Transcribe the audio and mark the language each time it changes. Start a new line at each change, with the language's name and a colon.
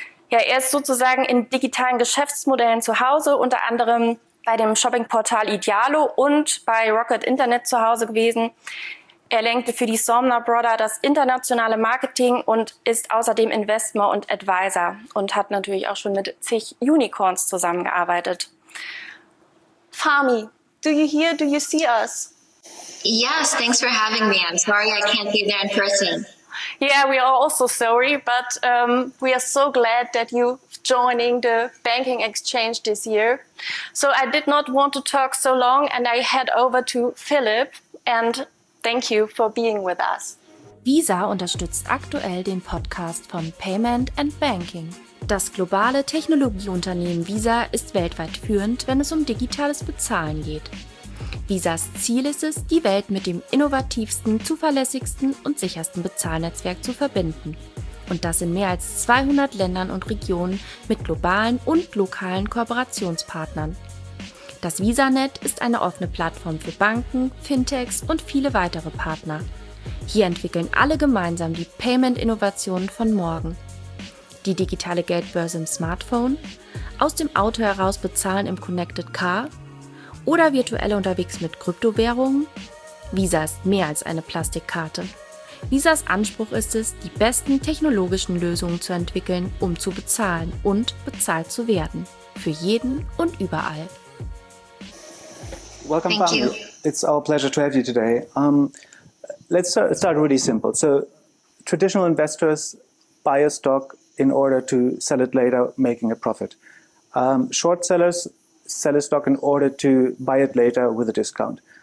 German: Ja, er ist sozusagen in digitalen Geschäftsmodellen zu Hause, unter anderem bei dem Shoppingportal Idealo und bei Rocket Internet zu Hause gewesen. Er lenkte für die Somner Brother das internationale Marketing und ist außerdem Investor und Advisor und hat natürlich auch schon mit zig Unicorns zusammengearbeitet.
English: Fahmi, do you hear, do you see us? Yes, thanks for having me. I'm sorry I can't be there in person. Yeah, we are also sorry, but we are so glad that you joining the banking exchange this year. So I did not want to talk so long and I head over to Philipp and thank you for being with us.
German: Visa unterstützt aktuell den Podcast von Payment and Banking. Das globale Technologieunternehmen Visa ist weltweit führend, wenn es um digitales Bezahlen geht. Visas Ziel ist es, die Welt mit dem innovativsten, zuverlässigsten und sichersten Bezahlnetzwerk zu verbinden. Und das in mehr als 200 Ländern und Regionen mit globalen und lokalen Kooperationspartnern. Das VisaNet ist eine offene Plattform für Banken, Fintechs und viele weitere Partner. Hier entwickeln alle gemeinsam die Payment-Innovationen von morgen. Die digitale Geldbörse im Smartphone, aus dem Auto heraus bezahlen im Connected Car oder virtuell unterwegs mit Kryptowährungen? Visa ist mehr als eine Plastikkarte. Visas Anspruch ist es, die besten technologischen Lösungen zu entwickeln, um zu bezahlen und bezahlt zu werden. Für jeden und überall.
English: Welcome, Fahmi. It's our pleasure to have you today. Let's start really simple. So, traditional investors buy a stock in order to sell it later, making a profit. Short sellers sell a stock in order to buy it later with a discount.